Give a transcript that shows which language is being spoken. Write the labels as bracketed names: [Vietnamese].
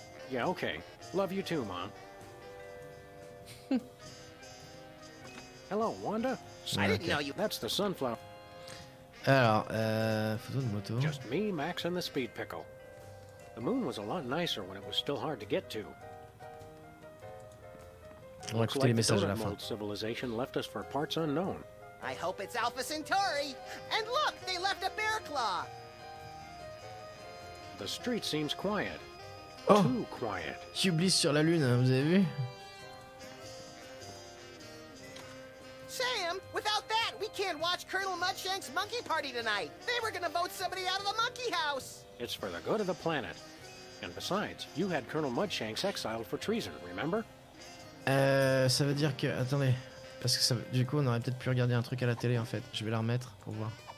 [English] Yeah, okay. Love you too, Mom. Hello, Wanda. I didn't know you... That's the Sunflower... [French] Alors, photo de moto. [English] Just me, Max, and the Speed Pickle. The moon was a lot nicer when it was still hard to get to. [French] On va écouter les messages à la fin. [English] Civilization left us for parts unknown. I hope it's Alpha Centauri. And look, they left a bear claw. The street seems quiet. Oh. Too quiet. [French] J'oublie sur la lune, hein, vous avez vu? [English] Sam, without that, we can't watch Colonel Mudshank's monkey party tonight. They were gonna vote somebody out of the monkey house. It's for the good of the planet. And besides, you had Colonel Mudshank's exiled for treason, remember? [French] Ça veut dire que... Attendez. Parce que ça, du coup, on aurait peut-être pu regarder un truc à la télé, en fait. Je vais la remettre pour voir.